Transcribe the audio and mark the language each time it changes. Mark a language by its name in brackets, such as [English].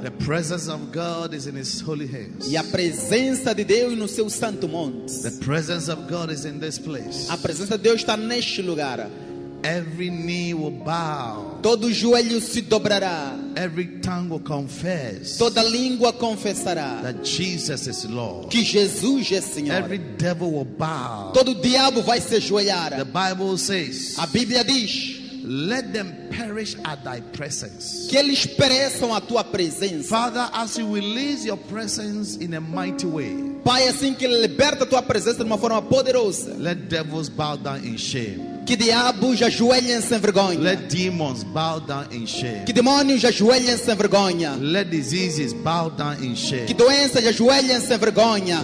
[English] The presence of God is in His holy hills. [Portuguese] E a presença de Deus no seu santo monte. [English] The presence of God is in this place. [Portuguese] A presença de Deus está neste lugar. [English] Every knee will bow. [Portuguese] Todo joelho se dobrará. [English] Every tongue will confess. [Portuguese] Toda língua confessará. [English] That Jesus is Lord. [Portuguese] Que Jesus é Senhor. [English] Every devil will bow. [Portuguese] Todo diabo vai se ajoelhar. [English] The Bible says. [Portuguese] A Bíblia diz. [English] Let them perish at thy presence. [Portuguese] Que eles pereçam à tua presença. [English] Father, as you release your presence in a mighty way. [Portuguese] Pai, assim que liberta a tua presença de uma forma poderosa. [English] Let devils bow down in shame. [Portuguese] Que diabos ajoelhem sem vergonha. [English] Let demons bow down in shame. [Portuguese] Que demônios ajoelhem sem vergonha. [English] Let diseases bow down in shame. [Portuguese] Que doenças ajoelhem sem vergonha.